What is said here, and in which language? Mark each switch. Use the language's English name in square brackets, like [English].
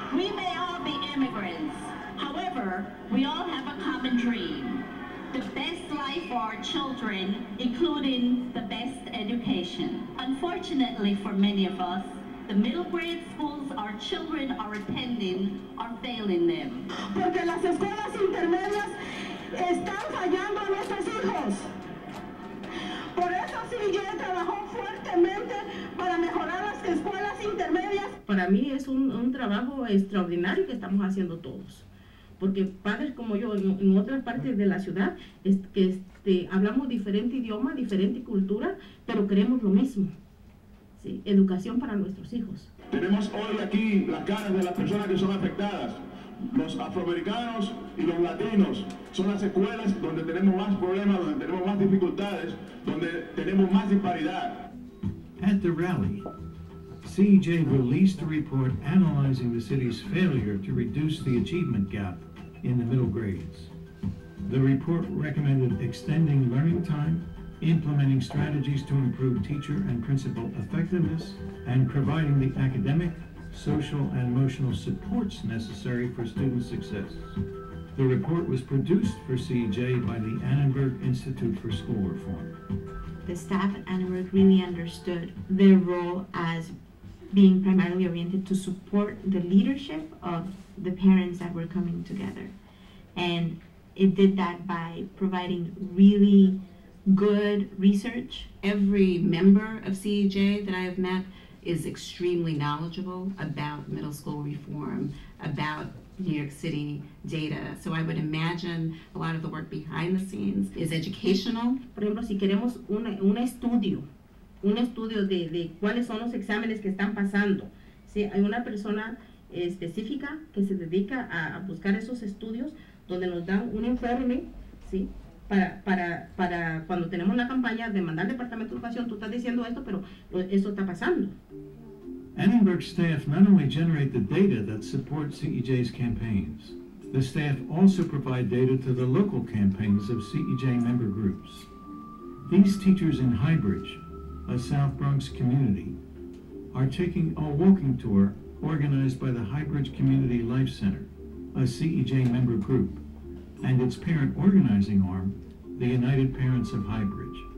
[English] We may all be immigrants, however, we all have a common dream. The best life for our children, including the best education. Unfortunately for many of us, the middle grade schools our children are attending are failing them. [Spanish] Porque las escuelas intermedias están fallando a nuestros hijos. Por eso CEJ trabajó fuertemente para mejorar las escuelas intermedias. Para mí es un trabajo extraordinario que estamos haciendo todos. Porque padres como yo en otras partes de la ciudad, hablamos diferente idioma, diferente cultura, pero queremos lo mismo. Sí, educación para nuestros hijos. Tenemos hoy aquí las caras de las personas que son afectadas. Los afroamericanos y los latinos son las escuelas donde tenemos más problemas, donde tenemos más dificultades, donde tenemos más disparidad. [English] At the rally, CEJ released a report analyzing the city's failure to reduce the achievement gap in the middle grades. The report recommended extending learning time, implementing strategies to improve teacher and principal effectiveness, and providing the academic, social, and emotional supports necessary for student success. The report was produced for CEJ by the Annenberg Institute for School Reform. The staff at Annenberg really understood their role as being primarily oriented to support the leadership of the parents that were coming together. And it did that by providing really good research. Every member of CEJ that I have met is extremely knowledgeable about middle school reform, about New York City data. So I would imagine a lot of the work behind the scenes is educational. [Spanish] Por ejemplo, si queremos un estudio de cuáles son los exámenes que están pasando. Sí, hay una persona específica que se dedica a buscar esos estudios donde nos dan un informe, ¿sí? Para cuando tenemos una campaña de mandar al Departamento de Educación, tú estás diciendo esto, pero eso está pasando. [English] Annenberg staff not only generate the data that supports CEJ's campaigns, the staff also provide data to the local campaigns of CEJ member groups. These teachers in Highbridge, a South Bronx community, are taking a walking tour organized by the Highbridge Community Life Center, a CEJ member group, and its parent organizing arm, the United Parents of Highbridge.